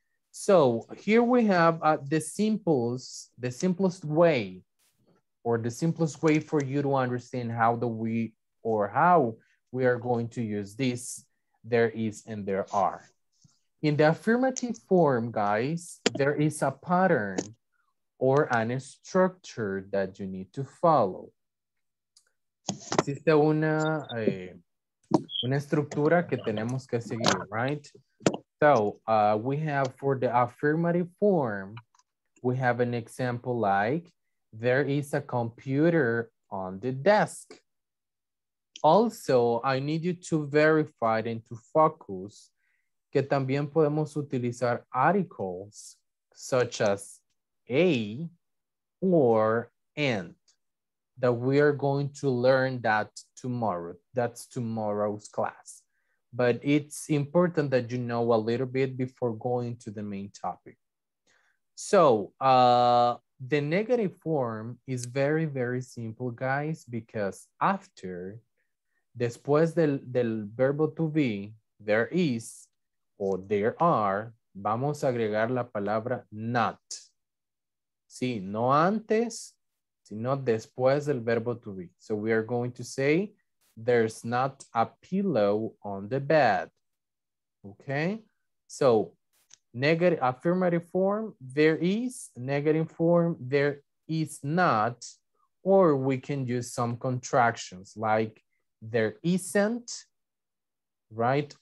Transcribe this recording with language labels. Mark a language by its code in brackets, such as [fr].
[en] So here we have the simplest way for you to understand how we are going to use this, there is and there are. In the affirmative form, guys, there is a pattern or an structure that you need to follow. [es] Existe una estructura que tenemos que seguir, right? [en] So we have for the affirmative form, we have an example like, there is a computer on the desk. Also, I need you to verify and to focus [es] que también podemos utilizar [en] articles such as a or and, that we are going to learn that tomorrow. That's tomorrow's class. But it's important that you know a little bit before going to the main topic. So the negative form is very, very simple, guys, because after, [es] después del verbo [en] to be, there is or there are, [es] vamos a agregar la palabra [en] not. [es] Sí, no antes, sino después del verbo to be. [en] So we are going to say, there's not a pillow on the bed. Okay, so negative affirmative form, there is, negative form, there is not, or we can use some contractions like there isn't, right?